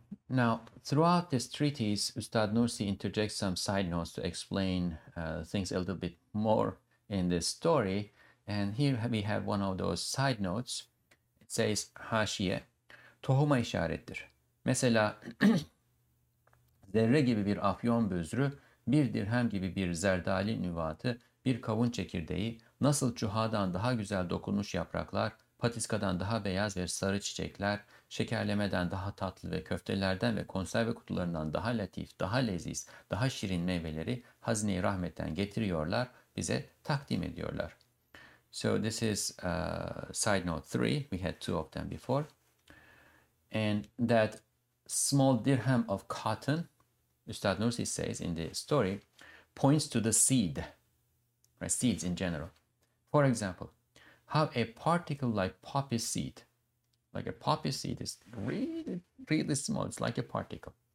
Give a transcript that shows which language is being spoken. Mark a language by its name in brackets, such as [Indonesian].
[English] Now, throughout this treatise, Ustad Nursi interjects some side notes to explain things a little bit more in this story. And here we have one of those side notes. It says, [Turkish] Haşiye, tohuma işarettir. Mesela, zerre gibi bir afyon büzrü, bir dirhem gibi bir zerdali nüvatı, bir kavun çekirdeği, nasıl çuhadan daha güzel dokunmuş yapraklar, patiskadan daha beyaz ve sarı çiçekler, şekerlemeden daha tatlı ve köftelerden ve konserve kutularından daha latif, daha leziz, daha şirin meyveleri hazine-i rahmetten getiriyorlar, bize takdim ediyorlar. [English] So this is side note 3. We had two of them before. And that small dirham of cotton, Ustad Nursi says in the story, points to the seed, right? Seeds in general. For example, how a particle like poppy seed, is really, really small, it's like a particle.